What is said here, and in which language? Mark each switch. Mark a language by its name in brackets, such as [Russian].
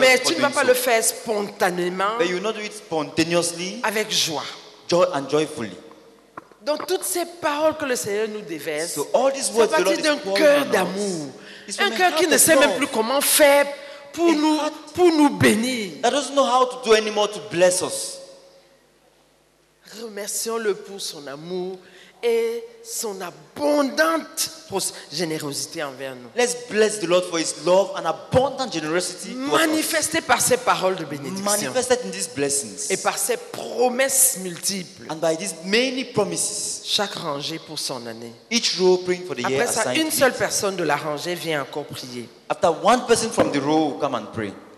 [French] Mais tu ne vas pas le faire spontanément. [English] But you not do it spontaneously. [French] Avec joie. [English] Joy and joyfully. [French] Donc toutes ces paroles que le Seigneur nous déverse, c'est parti d'un cœur d'amour, un cœur qui ne sait même plus comment faire pour nous bénir. [English] That doesn't know how to do anymore to bless us. [French] Remercions-le pour son amour et son abondante générosité envers nous. [English] Let's bless the Lord for His love and abundant generosity. [French] Manifesté par ses paroles de bénédiction. [English] Manifested in these blessings. [French] Et par ses promesses multiples. [English] And by these many promises. [French] Chaque rangée pour son année. [English] Each row praying for the [French] Après [English] year assigned. [French] Après ça, une seule personne de la rangée vient encore prier. [English] After one person from the row come and pray.